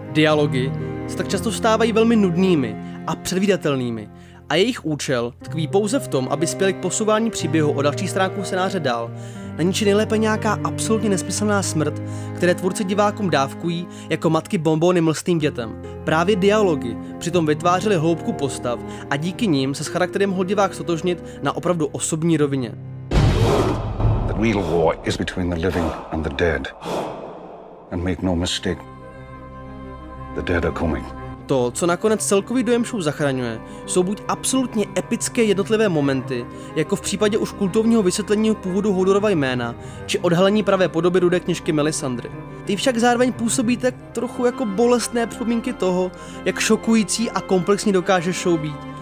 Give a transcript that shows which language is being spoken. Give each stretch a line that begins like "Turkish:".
Czech: Dialogy se tak často stávají velmi nudnými a předvídatelnými a jejich účel tkví pouze v tom, aby spěli k posouvání příběhu o další stránku scénáře dál, na níž je nejlépe nějaká absolutně nesmyslná smrt, které tvůrci divákům dávkují jako matky bonbony mlstým dětem. Právě dialogy přitom vytvářely hloubku postav a díky nim se s charakterem mohl divák stotožnit na opravdu osobní rovině.
English: The real war is between the living and the dead. And make no mistake, the dead are coming.
Czech: To, co nakonec celkový dojem show zachraňuje, jsou buď absolutně epické jednotlivé momenty, jako v případě už kultovního vysvětlení původu Hodorova jména, či odhalení pravé podoby rudé kněžky Melisandry. Ty však zároveň působí tak trochu jako bolestné připomínky toho, jak šokující a komplexní dokáže show být.